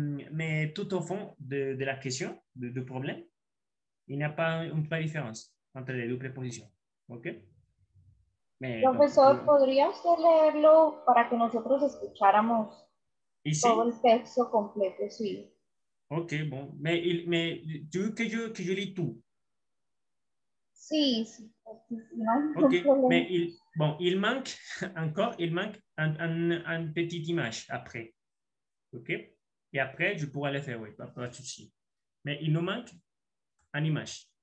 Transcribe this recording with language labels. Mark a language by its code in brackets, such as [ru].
[fr] Mais tout au fond de la question, du problème, il n'y a pas une différence entre les deux prépositions. OK? Mais, professor, donc, [es] ¿podría usted leerlo para que nosotros escucháramos [fr] ici? [es] Todo el texto completo, sí. [fr] OK, bon. Mais tu veux que je lis tout? [es] Sí, sí. [fr] Ok, mais il manque encore, il manque un petite image après. Ok, et après, je pourrais le faire, oui, pas de souci. Mais il nous manque une image.